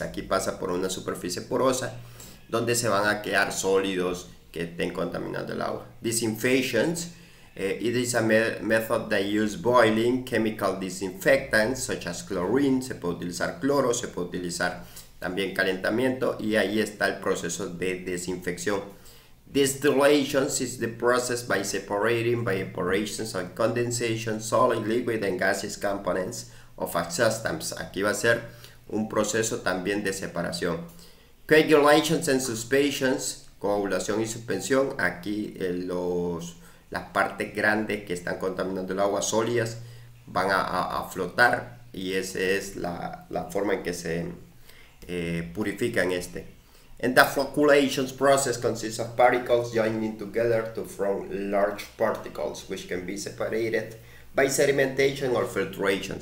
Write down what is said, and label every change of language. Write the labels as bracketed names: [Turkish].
[Spanish] Aquí pasa por una superficie porosa donde se van a quedar sólidos que estén contaminando el agua. [English] Disinfections. It is a method that use boiling chemical disinfectants such as chlorine. [Spanish] Se puede utilizar cloro, se puede utilizar también calentamiento y ahí está el proceso de desinfección. [English] Distillations is the process by separating by evaporations and condensation solid, liquid and gaseous components of a substance. [Spanish] Aquí va a ser un proceso también de separación. [English] Coagulations and suspensions, [Spanish] coagulación y suspensión. Aquí las partes grandes que están contaminando el agua sólidas van a flotar y esa es la forma en que se purifican este. [English] And the flocculations process consists of particles joining together to form large particles, which can be separated by sedimentation or filtration.